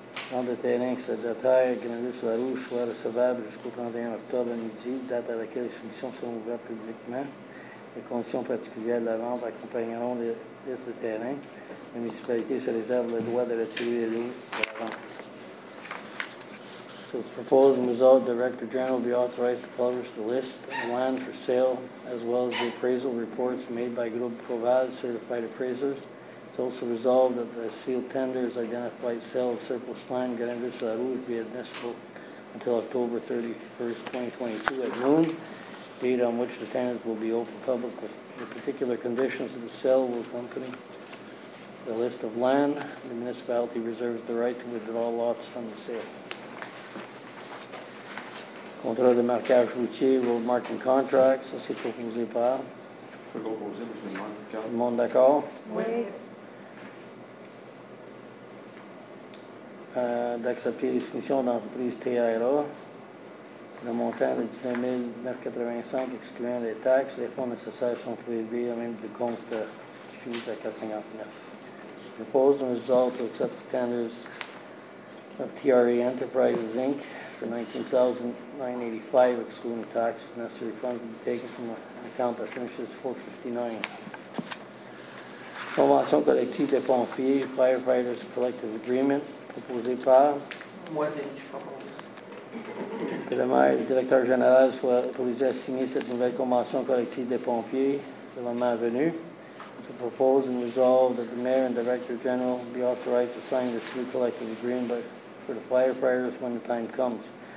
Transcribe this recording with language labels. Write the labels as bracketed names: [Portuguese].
[French] Tant de terrain que cette terre, granulée sur la rouge, soit recevable jusqu'au 31 octobre à midi, date à laquelle les soumissions seront ouvertes publiquement. Les conditions particulières de la vente accompagneront les listes de terrain. La municipalité se réserve le droit de retirer les lots de la vente. [English] So it's proposed and resolved, Director General will be authorized to publish the list of land for sale, as well as the appraisal reports made by Groupe Proval, certified appraisers. It's also resolved that the sealed tenders identified sale of surplus land granted to La Rouge be admissible until October 31st, 2022 at noon, date on which the tenders will be open publicly. The particular conditions of the sale will accompany the list of land. The municipality reserves the right to withdraw lots from the sale. [French] Contrat de marquage routier, [English] road marking contracts, [French] ça c'est proposé par. C'est proposé, monsieur le maire. Tout le monde d'accord? Oui. D'accepter les soumissions d'entreprise TIRA, le montant de 19 excluant les taxes, les fonds nécessaires sont prélevés au même du compte qui finit à 459. Propose un résultat [English] to accept the tenders of TRA Enterprises Inc. for $19,985 excluding taxes. Necessary funds will be taken from an account that finishes $459. [French] Convention collective des pompiers, [English] firefighters collective agreement. [French] Proposé par? Moi, je propose. Que le maire et le directeur général soient autorisés à signer cette nouvelle convention collective des pompiers, le moment venu. [English] To propose and resolve that the mayor and director general be authorized to sign this new collective agreement for the firefighters when the time comes.